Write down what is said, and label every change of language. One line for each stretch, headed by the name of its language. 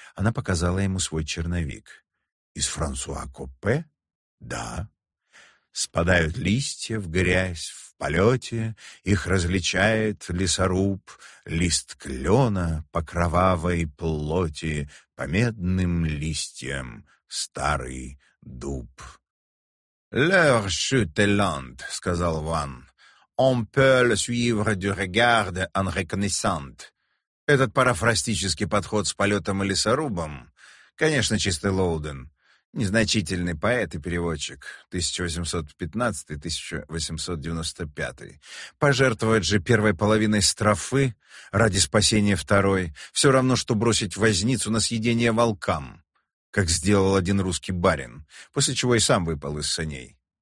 Russian: Она показала ему свой черновик. «Из Франсуа Коппе?» «Да». «Спадают листья в грязь в полете, их различает лесоруб, лист клена по кровавой плоти, по медным листьям старый дуб».
French: «Leur chute est lente», —
Russian: сказал Ван.
French: «On peut le suivre du regard en reconnaissant».
Russian: Этот парафрастический подход с полетом и лесорубом, конечно, чистый Лоуден, незначительный поэт и переводчик, 1815-1895. Пожертвовать же первой половиной строфы ради спасения второй, все равно, что бросить возницу на съедение волкам, как сделал один русский барин, после чего и сам выпал из саней.